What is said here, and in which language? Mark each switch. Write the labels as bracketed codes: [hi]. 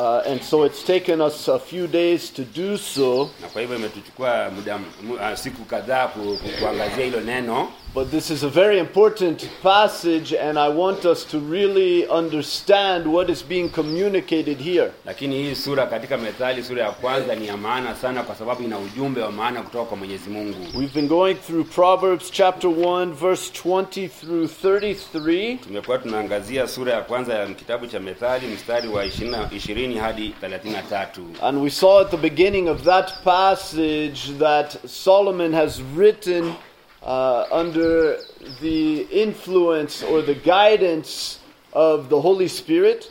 [en] And so it's taken us a few days to do so. [sw] Na kwa hivyo imetuchukua muda siku kadhaa kuangazia hilo neno. [en] But this is a very important passage, and I want us to really understand what is being communicated here. [sw] Lakini hii sura katika Methali sura ya kwanza ni ya maana sana kwa sababu ina ujumbe wa maana kutoka kwa Mwenyezi Mungu. [en] We've been going through Proverbs chapter 1 verse 20 through 33. [sw] Tumekuwa tunaangazia sura ya kwanza ya kitabu cha Methali mstari wa 20 hadi 33. [en] And we saw at the beginning of that passage that Solomon has written under the influence or the guidance of the Holy Spirit.